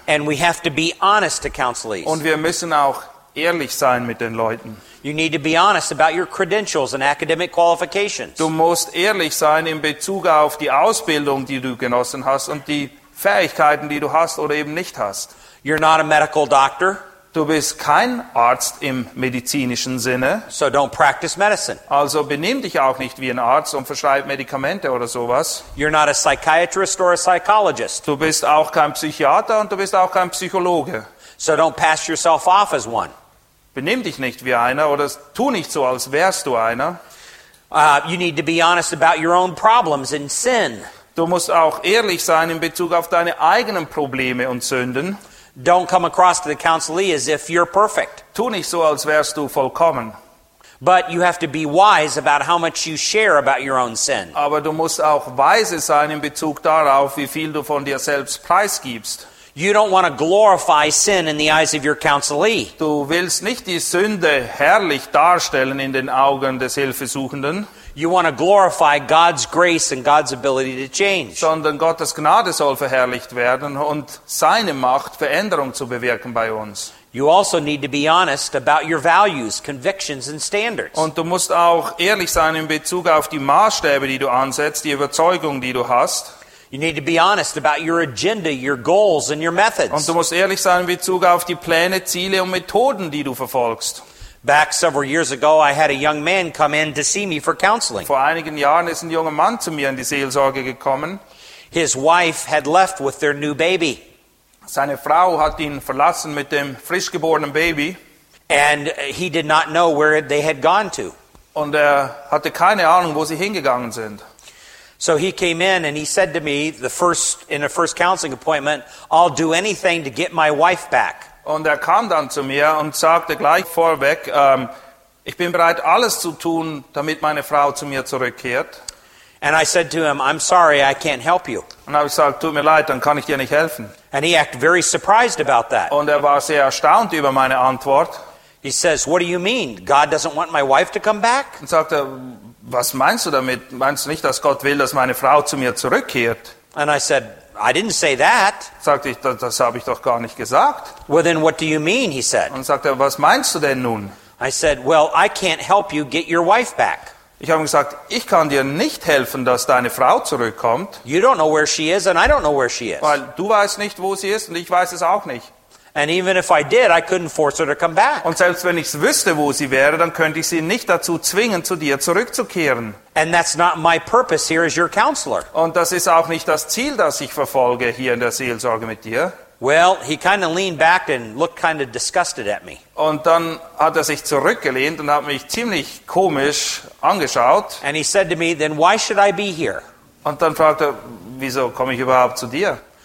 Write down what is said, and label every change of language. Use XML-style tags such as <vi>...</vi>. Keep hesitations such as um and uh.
<en>And we have to be honest to counselees.</en> <de>Und wir müssen auch ehrlich sein mit den Leuten.</de> <en>You need to be honest about your credentials and academic qualifications.</en> <de>Du musst ehrlich sein in Bezug auf die Ausbildung, die du genossen hast und die Fähigkeiten, die du hast oder eben nicht hast.</de> <en>You're not a medical doctor.</en> <de>Du bist kein Arzt im medizinischen Sinne.</de> <en>So don't practice medicine.</en> <de>Also benimm dich auch nicht wie ein Arzt und verschreib Medikamente oder sowas.</de> <en>You're not a psychiatrist or a psychologist.</en> <de>Du bist auch kein Psychiater und du bist auch kein Psychologe.</de> <en>So don't pass yourself off as one.</en> <de>Benimm dich nicht wie einer oder tu nicht so, als wärst du einer.</de> <en>Uh, you need to be honest about your own problems and sin.</en> <de>Du musst auch ehrlich sein in Bezug auf deine eigenen Probleme und Sünden</de> <en>don't come across to the council as if you're perfect.</en> <de>Tu nicht so, als wärst du vollkommen.</de> <en>But you have to be wise about how much you share about your own sin.</en> <de>Aber du musst auch weise sein in Bezug darauf, wie viel du von dir selbst preisgibst.</de> <en>You don't want to glorify sin in the eyes of your counselee.</en> <de>Du willst nicht die Sünde herrlich darstellen in den Augen des Hilfesuchenden.</de> <en>You want to glorify God's grace and God's ability to change.</en> <de>Sondern Gottes Gnade soll verherrlicht werden und seine Macht Veränderung zu bewirken bei uns.</de> <en>You also need to be honest about your values, convictions and standards.</en> <de>Und du musst auch ehrlich sein in Bezug auf die Maßstäbe, die du ansetzt, die Überzeugung, die du hast.</de> <en>You need to be honest about your agenda, your goals and your methods.</en> <de>Und du musst ehrlich sein in Bezug auf die Pläne, Ziele und Methoden, die du verfolgst.</de> <en>Back several years ago, I had a young man come in to see me for counseling.</en> <de>Vor einigen Jahren ist ein junger Mann zu mir in die Seelsorge gekommen.</de> <en>His wife had left with their new baby.</en> <de>Seine Frau hat ihn verlassen mit dem frisch Baby.</de> <en>And he did not know where they had gone to.</en> <de>Und er hatte keine Ahnung, wo sie hingegangen sind.</de> <en>So he came in and he said to me, the first, in a first counseling appointment, I'll do anything to get my wife back.</en> <de>Und er kam dann zu mir und sagte gleich vorweg, um, ich bin bereit, alles zu tun, damit meine Frau zu mir zurückkehrt. Him, sorry, und er sagte, tut mir leid, dann kann ich dir nicht helfen. He und er war sehr erstaunt über meine Antwort.</de> <en>He says,</en> <de>und sagte, was meinst du damit? Meinst du nicht, dass Gott will, dass meine Frau zu mir zurückkehrt?</de> <en>And I said, I didn't say that.</en> <de>Sagte ich, das, das ich</de> <en>Well, then what do you mean, he said.</en> <de>Und sagte, er, was meinst du denn nun?</de> <en>I said, well, I can't help you get your wife back.</en> <de>Ich habe gesagt, ich kann dir nicht helfen, dass deine Frau zurückkommt.</de> <en>You don't know where she is and I don't know where she is.</en> <de>Weil du weißt nicht, wo sie ist und ich weiß es auch nicht.</de> <en>And even if I did, I couldn't force her to come back.</en> <de>Und selbst wenn ich wüsste, wo sie wäre, dann könnte ich sie nicht dazu zwingen, zu dir zurückzukehren.</de> <en>And that's not my purpose here as your counselor.</en> <de>Und das ist auch nicht das Ziel, das ich verfolge hier in der Seelsorge mit dir.</de> <en>Well, he kind of leaned back and looked kind of disgusted at me.</en> <de>Und dann hat er sich zurückgelehnt und hat mich ziemlich komisch angeschaut.</de> <en>And he said to me, then why should I be here?</en> <de>Und dann fragte er, wieso komme ich überhaupt zu dir?</de>